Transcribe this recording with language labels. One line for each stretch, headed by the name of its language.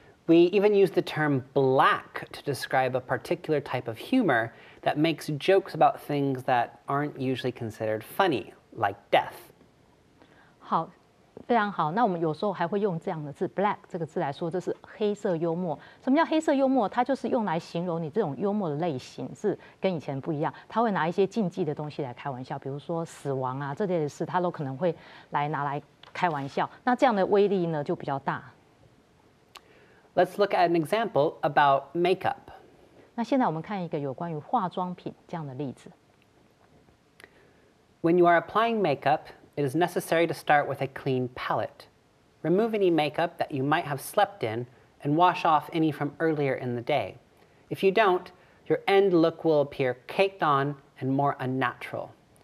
English: We even use the term black to describe a particular type of humor that makes jokes about things that aren't usually considered funny, like death.
Chinese: 好，非常好。那我们有时候还会用这样的字 black 这个字来说，这是黑色幽默。什么叫黑色幽默？它就是用来形容你这种幽默的类型是跟以前不一样。它会拿一些禁忌的东西来开玩笑，比如说死亡啊这类的事，它都可能会来拿来开玩笑。那这样的威力呢就比较大。
English: Let's look at an example about makeup.
Chinese: 那现在我们看一个有关于化妆品这样的例子。
English: When you are applying makeup, it is necessary to start with a clean palette. Remove any makeup that you might have slept in and wash off any from earlier in the day. If you don't, your end look will appear caked on and more unnatural.